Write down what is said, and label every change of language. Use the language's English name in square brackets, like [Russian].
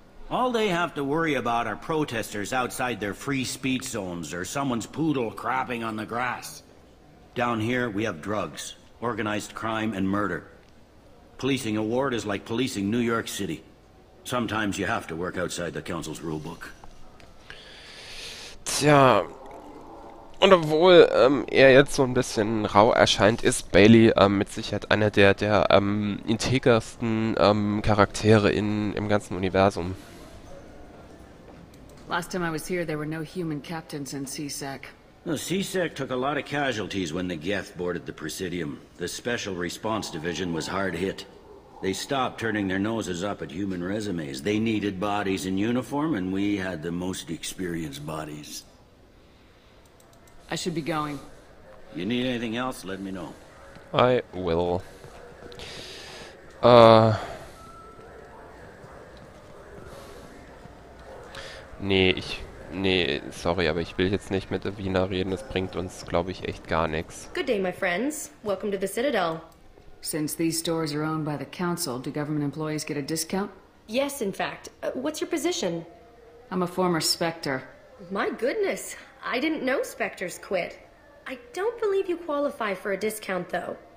[English] All they have to worry about are protesters outside their free speech zones or someone's poodle crapping on the grass. Down here, we have drugs, organized crime, and murder. Policing a ward is like policing New York City. Sometimes you have to work outside the Council's rulebook. [German] Tja, und obwohl er jetzt so ein bisschen rau erscheint, ist Bailey mit Sicherheit einer der integersten Charaktere im ganzen Universum. [English] Last time I was here, there were no human captains in CSEC. No, CSEC took a lot of casualties when the Geth boarded the Presidium. The Special Response Division was hard hit. They stopped turning their noses up at human resumes. They needed bodies in uniform, and we had the most experienced bodies. I should be going. You need anything else, let me know. I will. [German] Sorry, aber ich will jetzt nicht mit Evina reden. Das bringt uns, glaube ich, echt gar nichts. [English] Good day, my friends. Welcome to the Citadel. Since these stores are owned by the Council, do government employees get a discount? Yes, in fact. What's your position? I'm a former Spectre. My goodness. I didn't know Spectres quit. I don't believe you qualify for a discount, though.